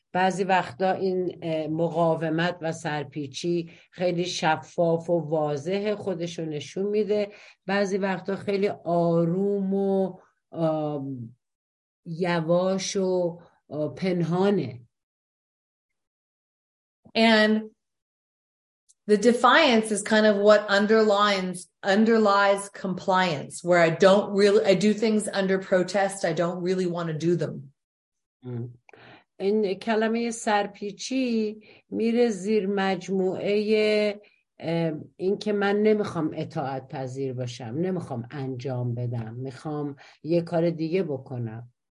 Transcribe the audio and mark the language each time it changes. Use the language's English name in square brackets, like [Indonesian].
[Persian] بعضی وقتا این مقاومت و سرپیچی خیلی شفاف و واضح خودشو نشون میده. بعضی وقتا خیلی آروم و یواش و پنهانه. [English] And The defiance is kind of what underlies compliance, where I do things under protest. I don't really want to do them. [Persian] این کلمه سرپیچی میره زیر مجموعه این که من نمیخوام اطاعت پذیر باشم، نمیخوام انجام بدم، میخوام یه کار دیگه بکنم.